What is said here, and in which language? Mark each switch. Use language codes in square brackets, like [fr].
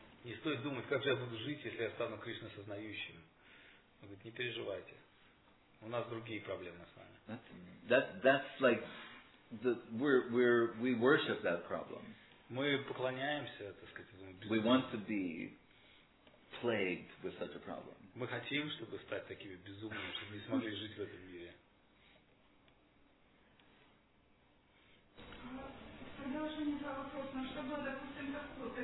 [ru] Не стоит думать, как же я буду жить, если я стану Кришна сознающим. Он говорит, не переживайте. У нас другие проблемы с вами. [en] That's like we worship that problem. [ru] Мы поклоняемся, так сказать, этому. [en] We want to be plagued with such a problem. [ru] Мы хотим, чтобы стать такими безумными, чтобы не смогли жить в этом мире. Продолжение вопроса, чтобы, допустим, как